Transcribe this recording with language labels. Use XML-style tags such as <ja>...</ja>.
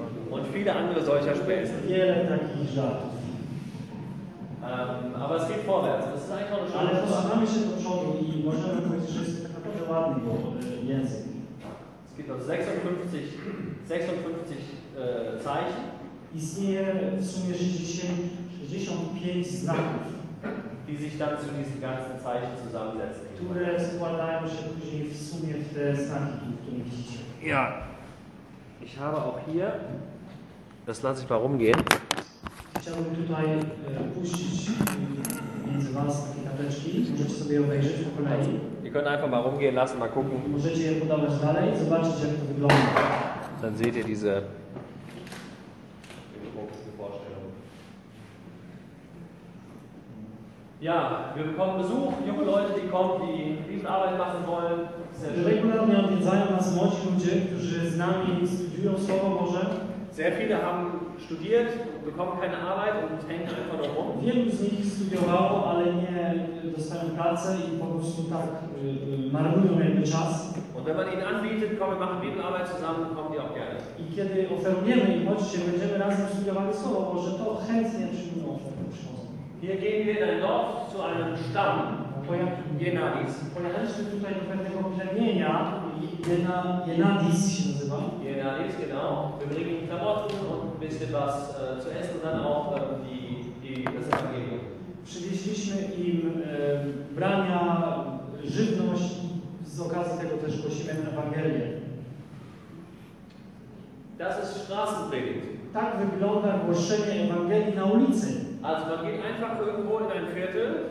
<de>Und viele andere solcher Späße.</de> <pl>Wiele takich żartów.</pl> <de>Aber es geht vorwärts. Das ist eigentlich auch schon.</de> <pl>Ale posunamy się do przodu i można by powiedzieć, że jest to taki bardzo ładny język.</pl> <de>Es gibt noch 56 Zeichen.</de> <pl>Istnieje w sumie 65 znaków.</pl> <de>Die sich dann zu diesen ganzen Zeichen zusammensetzen.</de> <pl>Które składają się później w sumie w te znaki, które widzicie.</pl> <de>Ja. Ich habe auch hier. Das lasse ich mal rumgehen.</de> <pl>Chciałbym tutaj puścić między Was takie tabeczki. Możecie sobie obejrzeć po kolei.</pl> <de>Ihr könnt einfach mal rumgehen lassen, mal gucken.</de> <pl>Możecie je podawać dalej i zobaczyć, jak to wygląda.</pl> <de>Dann seht ihr diese. Ja, wir bekommen Besuch, junge Leute, die kommen, die Dienstarbeit machen wollen.</de> <pl>Regularnie odwiedzają nas młodzi ludzie, którzy z nami studiują słowo Boże.</pl> <de>Sehr viele haben studiert, bekommen keine Arbeit und hängen einfach nur rum.</de> <pl>Wielu z nich studiowało, ale nie dostają pracy i po prostu tak marnują jakby czas.</pl> <de>Und wenn man ihnen anbietet, komm, wir machen Bibelarbeit zusammen, kommen die auch gerne.</de> <pl>I kiedy oferujemy im chodźcie, będziemy razem studiowali słowo Boże, to chętnie przyjmują ofertę.</pl> <de>Hier gehen wir in ein Dorf zu einem Stamm, Jenadis.</de> <pl>Pojechaliśmy tutaj do pewnego plemienia, Jenadis się nazywa.</pl> <de>Jenadis, genau. Wir bringen Klamotten und ein bisschen was zu essen, dann auch das Evangelium.</de> <pl>Przywieźliśmy im brania, żywność, z okazji tego też głosimy Ewangelię.</pl> <de>Das ist Straßenpredigt.</de> <pl>Tak wygląda głoszenie Ewangelii na ulicy.</pl> <de>Also man geht einfach irgendwo in ein Viertel.</de>